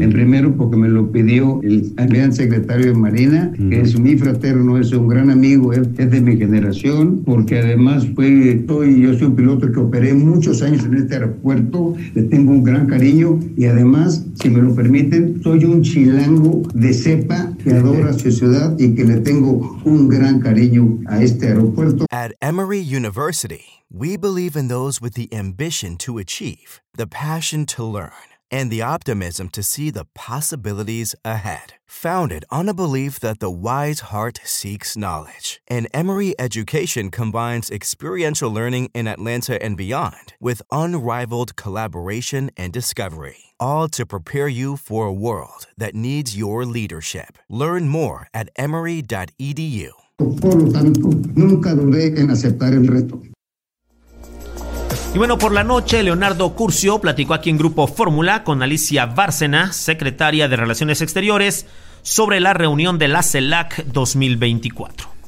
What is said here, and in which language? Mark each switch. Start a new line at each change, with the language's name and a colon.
Spanish: En primero porque me lo pidió el gran secretario de Marina, que es mi fraterno, es un gran amigo, es de mi generación, porque además yo soy un piloto que operé muchos años en este aeropuerto, le tengo un gran cariño. Y además, si me lo permiten, soy un chilango de cepa que adora su ciudad y que le tengo un gran cariño a este aeropuerto.
English: At Emory University, we believe in those with the ambition to achieve, the passion to learn, and the optimism to see the possibilities ahead. Founded on a belief that the wise heart seeks knowledge, an Emory education combines experiential learning in Atlanta and beyond with unrivaled collaboration and discovery, all to prepare you for a world that needs your leadership. Learn more at emory.edu.
Spanish: Por lo tanto, nunca dudé en aceptar el reto. Y bueno, por la noche, Leonardo Curcio platicó aquí en Grupo Fórmula con Alicia Bárcena, secretaria de Relaciones Exteriores, sobre la reunión de la CELAC 2024.